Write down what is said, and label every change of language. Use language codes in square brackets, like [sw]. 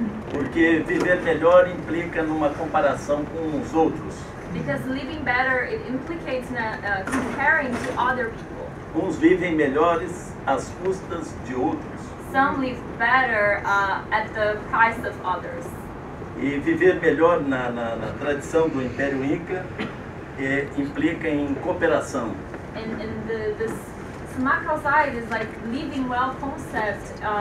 [pt] Porque viver melhor implica numa comparação com os outros. [en] Because living better, it implicates comparing to other people. [pt] Uns vivem melhores às custas de outros. [en] Some live better at the price of others. [pt] E viver melhor na tradição do Império Inca implica em cooperação. [en] And the Suma Causai is like living well concept.